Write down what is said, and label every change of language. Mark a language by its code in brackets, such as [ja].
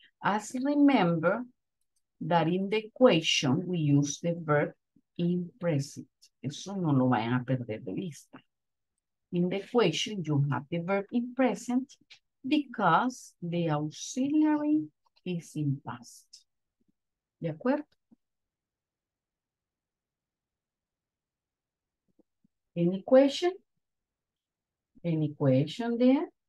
[en] As remember that in the question, we use the verb in present. [es] Eso no lo vayan a perder de vista. [en] In the question, you have the verb in present because the auxiliary is in past. [es] ¿De acuerdo? [en] Any question? Any question there?